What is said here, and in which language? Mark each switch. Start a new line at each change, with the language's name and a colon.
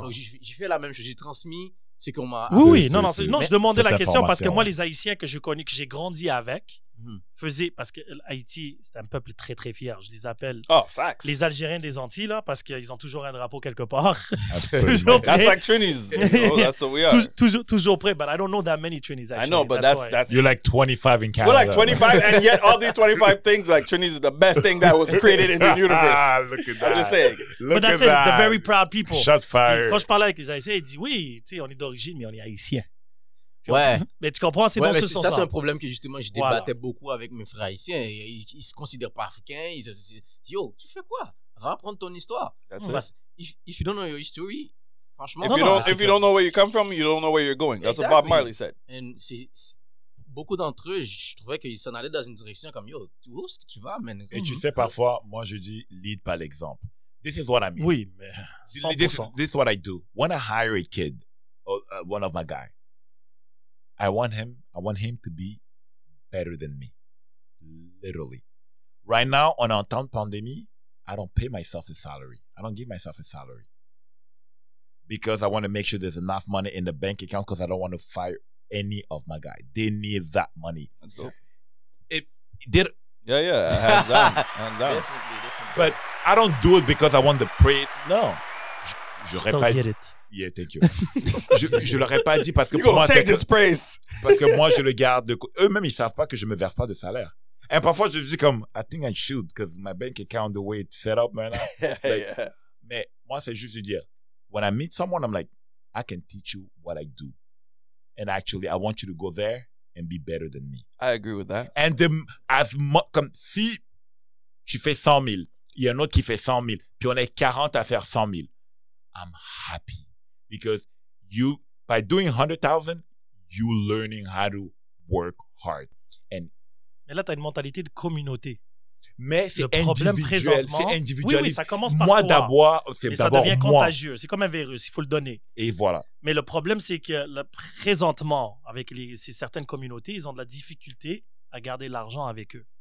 French: Donc j'ai fait la même chose, j'ai transmis ce qu'on m'a. Oui, non, je demandais la question parce que moi, les Haïtiens que je connais, que j'ai grandi avec, faisaient. Parce que Haïti, c'est un peuple très, très fier. Je les appelle les Algériens des Antilles, là, parce qu'ils ont toujours un drapeau quelque part.
English: That's like Trinis. Oh, that's what we are.
French: toujours prêt,
English: but I don't know that many Trinis actually. I know, but that's you're like 25 in Canada. We're like 25, and yet all these 25 things, like Trinis is the best thing that was created in the universe. Ah, look at that. I'm just saying. But that's it, the very proud people. Shot fire.
French: Quand je parlais avec les Haïtiens, ils disent oui, tu sais, on est d'origine, mais on est Haïtiens. Ouais. Mais tu comprends, c'est dans ce sens-là. Ça, c'est un problème que justement, je débattais beaucoup avec mes frères haïtiens. Ils se considèrent pas africains. Ils se disent, yo, tu fais quoi? Va apprendre ton histoire.
English: That's it. If you don't know your history, franchement, if you don't know where you come from, you don't know where you're going. That's exactly. What Bob Marley said.
French: And beaucoup d'entre eux, je trouvais qu'ils s'en allaient dans une direction comme, yo, où est-ce que tu vas, man? Et tu sais, parfois, moi, je dis, lead par l'exemple.
English: This is what I mean.
French: Oui, mais.
English: This is what I do. When I hire a kid, one of my guys, I want him to be better than me, literally. Right now,
French: on a temps de pandémie,
English: I don't pay myself a salary. I don't give myself a salary because I want to make sure there's enough money in the bank account because I don't want to fire any of my guys. They need that money. That's dope. I have done. But I don't do it because I want the praise. No. Still get it. Yeah, thank you.
French: je l'aurais pas dit parce que
English: you
French: pour moi,
English: take this praise.
French: Parce que moi, je le garde. Eux-mêmes, ils savent pas que je me verse pas de salaire. Et parfois, je dis comme,
English: I think I should, because my bank account, the way it's set up right now. Like, yeah.
French: Mais moi, c'est juste de dire,
English: when I meet someone, I'm like, I can teach you what I do. And actually, I want you to go there and be better than me. I agree with that. And the, as much,
French: comme, si tu fais 100 000, il y a un autre qui fait 100 000, puis on est 40 à faire 100 000.
English: I'm happy. Because you, by doing 100,000, you're learning how to work hard. And
French: mais là, tu as une mentalité de communauté. Mais c'est le problème individuel. C'est individualiste. Oui, ça commence par moi. Toi, d'abord, c'est mais d'abord ça devient moi. Contagieux. C'est comme un virus, il faut le donner. Et voilà. Mais le problème, c'est que là, présentement, avec ces certaines communautés, ils ont de la difficulté à garder l'argent avec eux.